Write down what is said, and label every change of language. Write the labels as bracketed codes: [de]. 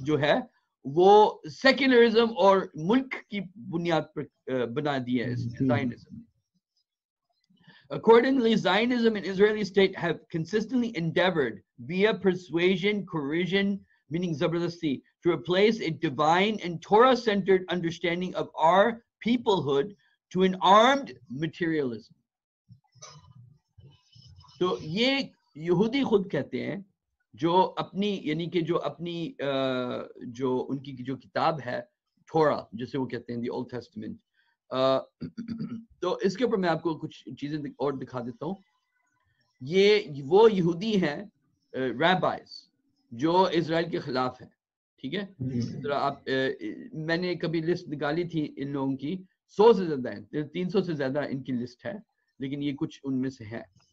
[ur] جو ہے, وہ سیکولرزم اور ملک کی بنیاد پر بنا دی ہے Zionism. [en] Accordingly, Zionism and Israeli state have consistently endeavored via persuasion, coercion, meaning zabardasti, to replace a divine and Torah-centered understanding of our peoplehood to an armed materialism. [ur] So, ye yahudi khud kehte hain jo apni, yani ke jo apni jo unki ki jo kitab hai Torah, jise wo kehte hain the Old Testament, تو اس کے اوپر میں آپ کو کچھ چیزیں اور دکھا دیتا ہوں. یہ وہ یہودی ہیں ریبائز جو اسرائیل کے خلاف ہیں, ٹھیک ہے. ذرا آپ, میں نے کبھی لسٹ نکالی تھی ان لوگوں کی, 100 سے زیادہ ہیں, 300 سے زیادہ ان کی لسٹ ہے, لیکن یہ کچھ ان میں سے ہیں.